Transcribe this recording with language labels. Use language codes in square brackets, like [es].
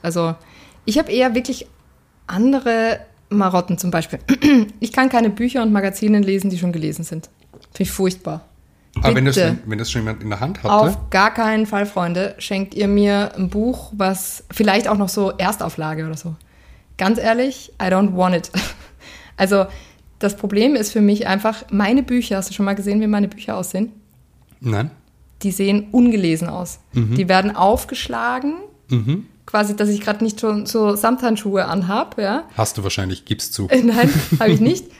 [de] Also, ich habe eher wirklich andere Marotten zum Beispiel. Ich kann keine Bücher und Magazine lesen, die schon gelesen sind. Finde ich furchtbar. Bitte. Aber wenn das schon jemand in der Hand hatte? Auf gar keinen Fall, Freunde, schenkt ihr mir ein Buch, was vielleicht auch noch so Erstauflage oder so. Ganz ehrlich, [en] I don't want it. [de] Also das Problem ist für mich einfach, meine Bücher, hast du schon mal gesehen, wie meine Bücher aussehen? Nein. Die sehen ungelesen aus. Mhm. Die werden aufgeschlagen, quasi, dass ich gerade nicht schon so Samthandschuhe anhab. Ja. Hast du wahrscheinlich, gib's zu. Nein, habe ich nicht.